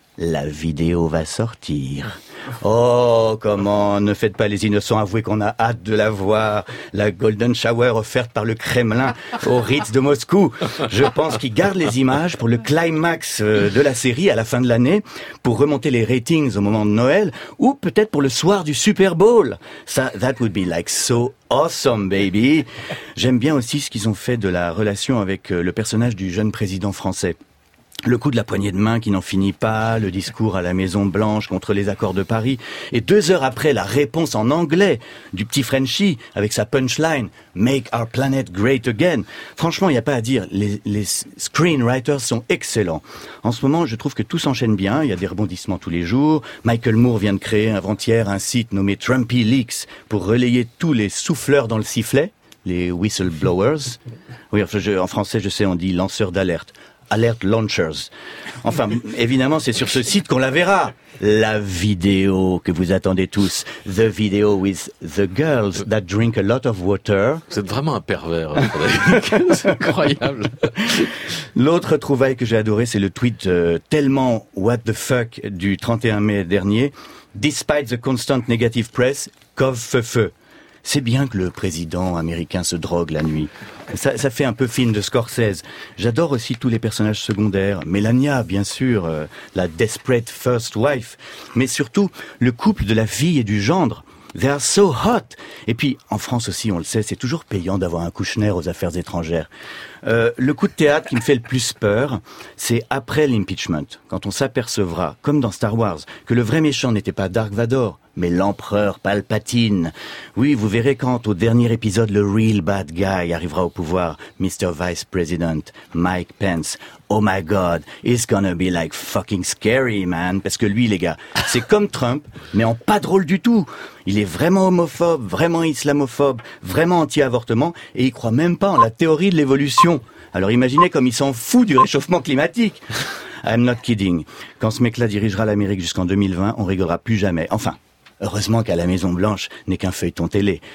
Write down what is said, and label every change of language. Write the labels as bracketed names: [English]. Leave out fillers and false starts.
[French] la vidéo va sortir. Oh, comment, ne faites pas les innocents, avouer qu'on a hâte de la voir. La Golden Shower offerte par le Kremlin au Ritz de Moscou. Je pense qu'ils gardent les images pour le climax de la série à la fin de l'année, pour remonter les ratings au moment de Noël, ou peut-être pour le soir du Super Bowl. Ça, [English] that would be like so awesome, baby. [French] J'aime bien aussi ce qu'ils ont fait de la relation avec le personnage du jeune président français. Le coup de la poignée de main qui n'en finit pas, le discours à la Maison Blanche contre les accords de Paris, et 2 heures après, la réponse en anglais du petit Frenchie avec sa punchline « [English] Make our planet great again ». [French] Franchement, il n'y a pas à dire, les screenwriters sont excellents. En ce moment, je trouve que tout s'enchaîne bien, il y a des rebondissements tous les jours. Michael Moore vient de créer avant-hier un site nommé « Trumpy Leaks » pour relayer tous les souffleurs dans le sifflet, les whistleblowers. Oui, en français, je sais, on dit « lanceurs d'alerte ». [English] Alert Launchers. [French] Enfin, évidemment, c'est sur ce site qu'on la verra. La vidéo que vous attendez tous. [English] The video with the girls that drink a lot of water. [French] Vous êtes vraiment un pervers. C'est incroyable. L'autre trouvaille que j'ai adoré, c'est le tweet tellement [English] what the fuck [French] du 31 mai dernier. [English] Despite the constant negative press, cov-feu-feu. [French] C'est bien que le président américain se drogue la nuit. Ça fait un peu film de Scorsese. J'adore aussi tous les personnages secondaires. Melania, bien sûr, la [English] desperate first wife. [French] Mais surtout, le couple de la fille et du gendre. [English] They are so hot. [French] Et puis, en France aussi, on le sait, c'est toujours payant d'avoir un Kouchner aux affaires étrangères. Le coup de théâtre qui me fait le plus peur, c'est après l'impeachment, quand on s'apercevra, comme dans Star Wars, que le vrai méchant n'était pas Dark Vador, mais l'empereur Palpatine. Oui, vous verrez quand, au dernier épisode, le [English] real bad guy [French] arrivera au pouvoir, Mr. [English] Vice President Mike Pence. Oh my God, it's gonna be like fucking scary, man. [French] Parce que lui, les gars, c'est comme Trump, mais en pas drôle du tout. Il est vraiment homophobe, vraiment islamophobe, vraiment anti-avortement, et il croit même pas en la théorie de l'évolution. Alors imaginez comme il s'en fout du réchauffement climatique. [English] I'm not kidding. [French] Quand ce mec-là dirigera l'Amérique jusqu'en 2020, on rigolera plus jamais. Enfin, heureusement qu'à la Maison Blanche n'est qu'un feuilleton télé.